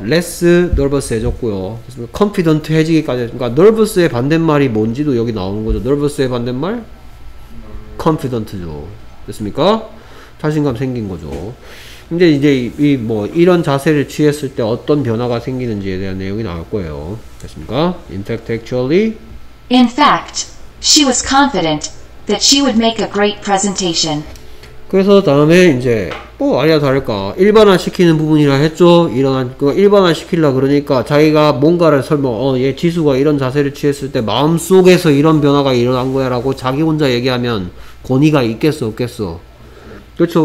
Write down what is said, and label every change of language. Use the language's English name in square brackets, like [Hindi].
[English] less nervous [Korean] 해졌고요. confident 해지기까지 했으니까 그러니까 nervous의 반대말이 뭔지도 여기 나오는 거죠. nervous의 반대말? confident죠. 됐습니까? 자신감 생긴 거죠. 근데 이제 이 뭐 이런 자세를 취했을 때 어떤 변화가 생기는지에 대한 내용이 나올 거예요. 됐습니까? [English] In fact, actually? In fact, she was confident that she would make a great presentation. [Korean] 그래서 다음에 이제 뭐 아니야 다를까 일반화 시키는 부분이라 했죠. 이런 그 일반화 시키려 그러니까 자기가 뭔가를 설명 얘 지수가 이런 자세를 취했을 때 마음속에서 이런 변화가 일어난 거야 라고 자기 혼자 얘기하면 권위가 있겠어 없겠어. 그렇죠.